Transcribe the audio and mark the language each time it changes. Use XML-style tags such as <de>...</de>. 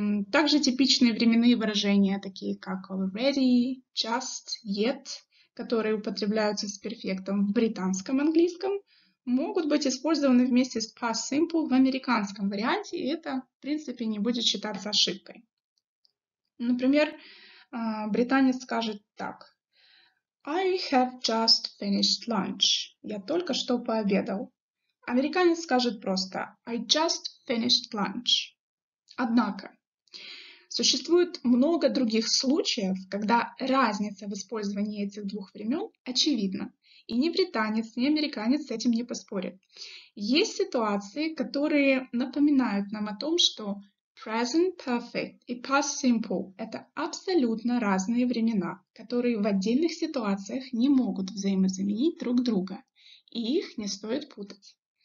<ru>Также типичные временные выражения, такие как «already», «just», «yet», которые употребляются с перфектом в британском английском, могут быть использованы вместе с Past Simple в американском варианте, и это, в принципе, не будет считаться ошибкой. Например, британец скажет так.</ru> <en>I have just finished lunch.</en> <ru>Я только что пообедал. Американец скажет просто</ru> <en>I just finished lunch.</en> <ru>Однако, существует много других случаев, когда разница в использовании этих двух времен очевидна. И ни британец, ни американец с этим не поспорят. Есть ситуации, которые напоминают нам о том, что Present Perfect и Past Simple – это абсолютно разные времена, которые в отдельных ситуациях не могут взаимозаменить друг друга, и их не стоит путать.</ru>